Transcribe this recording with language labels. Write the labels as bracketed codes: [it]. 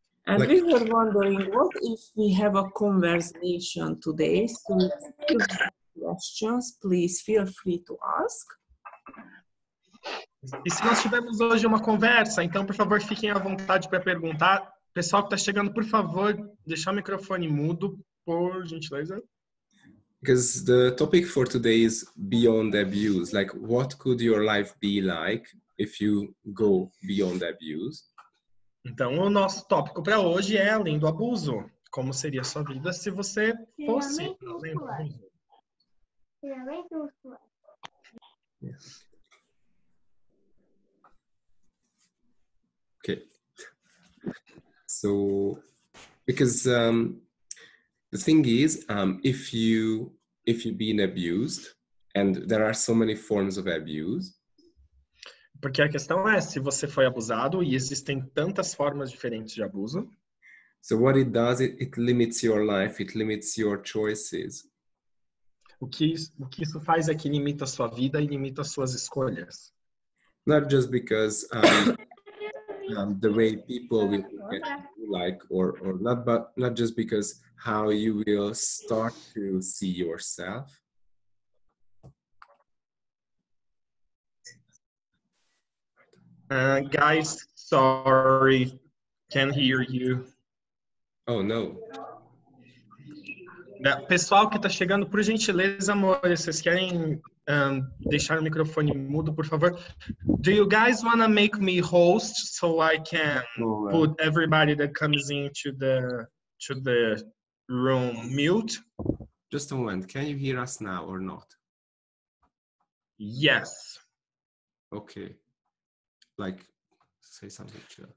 [en] And we were wondering, what if we have a conversation today? So if you have questions, please feel free to ask. [pt] E se nós tivermos hoje uma conversa, então, por favor, fiquem à vontade para perguntar. Pessoal que está chegando, por favor, deixa o microfone mudo, por gentileza. [en] Because the topic for today is beyond abuse. Like, what could your life be like if you go beyond abuse? [pt] Então, o nosso tópico para hoje é além do abuso. Como seria a sua vida se você fosse além do abuso? [en] Okay. So, because the thing is, if you've been abused, and there are so many forms of abuse. [pt] Porque a questão é, se você foi abusado e existem tantas formas diferentes de abuso. [en] So what it does, it limits your life, it limits your choices. [pt] O que isso faz é que limita a sua vida e limita as suas escolhas. [en] Not just because the way people will get you like or not, but not just because how you will start to see yourself. Guys, sorry, can't hear you. Oh, no. [pt] Pessoal que está chegando, por gentileza, amor, vocês querem deixar o microfone mudo, por favor? [en] Do you guys want to make me host so I can put everybody that comes into the room mute? Just a moment. Can you hear us now or not? Yes. Okay. Like, say something to you.